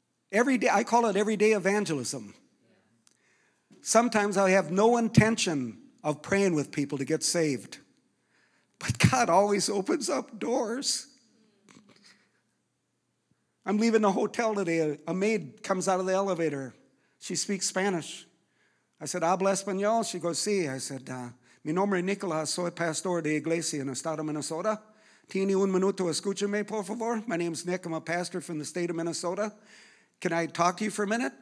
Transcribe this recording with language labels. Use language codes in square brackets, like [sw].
[en] Every day, I call it everyday evangelism. Sometimes I have no intention of praying with people to get saved. But God always opens up doors. I'm leaving the hotel today. A maid comes out of the elevator. She speaks Spanish. I said, [es] habla español? [en] She goes, sí. [es] I said, mi nombre es Nicolás. Soy pastor de iglesia en el estado de Minnesota. Tiene un minuto, escúchame, por favor. [en] My name's Nick. I'm a pastor from the state of Minnesota. Can I talk to you for a minute?